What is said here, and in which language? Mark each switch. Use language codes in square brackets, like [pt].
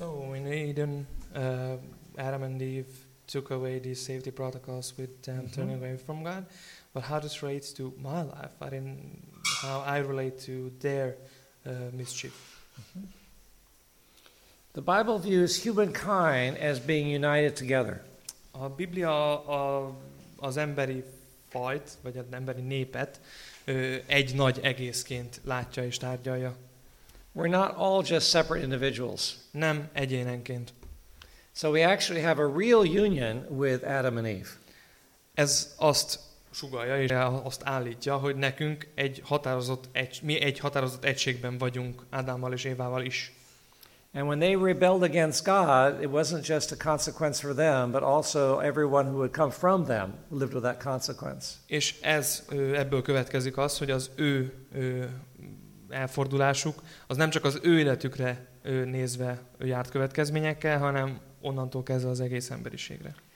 [en] Maiden Adam and Eve took away these safety protocols with them turning away from God, but how this relates to my life, I mean, how I relate to their mischief. The Bible views humankind as being united together. [hu] A Biblia az emberi fajt, vagy az emberi népet egy nagy egészként látja és tárgyalja. [en] We're not all just separate individuals. [hu] Nem egyénenként. [en] So we actually have a real union with Adam and Eve. [hu] Ez azt sugallja és azt állítja, hogy nekünk egy határozott egységben vagyunk Ádámmal és Évával is. [en] And when they rebelled against God, it wasn't just a consequence for them, but also everyone who would come from them lived with that consequence. [hu] És ez ebből következik az, hogy az ő elfordulásuk, az nem csak az ő életükre nézve járt következményekkel, hanem onnantól kezdve az egész emberiségre.